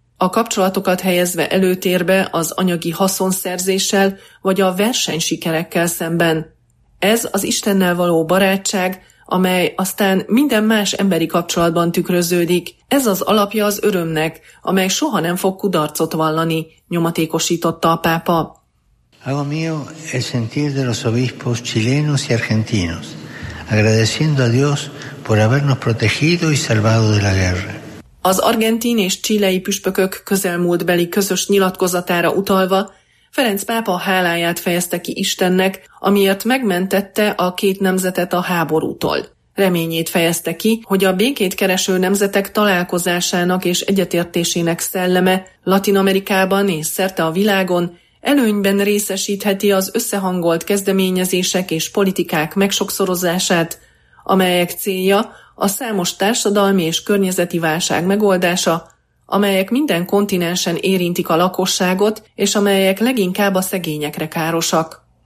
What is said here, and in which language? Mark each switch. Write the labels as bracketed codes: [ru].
[hu] A kapcsolatokat helyezve előtérbe az anyagi haszonszerzéssel vagy a versenysikerekkel szemben. Ez az Istennel való barátság, amely aztán minden más emberi kapcsolatban tükröződik. Ez az alapja az örömnek, amely soha nem fog kudarcot vallani, nyomatékosította a pápa. [es] Hago mío el sentir de los obispos chilenos y argentinos, agradeciendo a Dios por habernos protegido y salvado de la guerra. [hu] Az argentin és chilei püspökök közelmúltbeli közös nyilatkozatára utalva, Ferenc pápa háláját fejezte ki Istennek, amiért megmentette a két nemzetet a háborútól. Reményét fejezte ki, hogy a békét kereső nemzetek találkozásának és egyetértésének szelleme Latin-Amerikában és szerte a világon előnyben részesítheti az összehangolt kezdeményezések és politikák megsokszorozását, amelyek célja a számos társadalmi és környezeti válság megoldása, amelyek minden kontinensen érintik a lakosságot, és amelyek leginkább a szegényekre károsak.